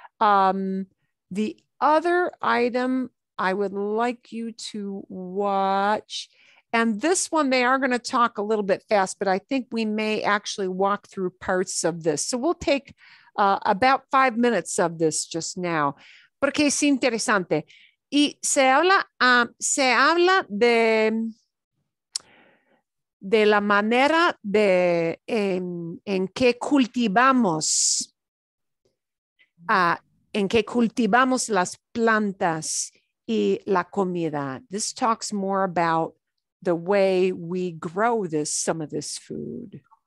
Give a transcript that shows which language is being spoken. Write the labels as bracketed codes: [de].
[en] The other item I would like you to watch, and this one, they are going to talk a little bit fast, but I think we may actually walk through parts of this. So we'll take about 5 minutes of this just now. [es] Porque es interesante. Y se habla de la manera de en que cultivamos en que cultivamos las plantas y la comida. [en] This talks more about the way we grow some of this food.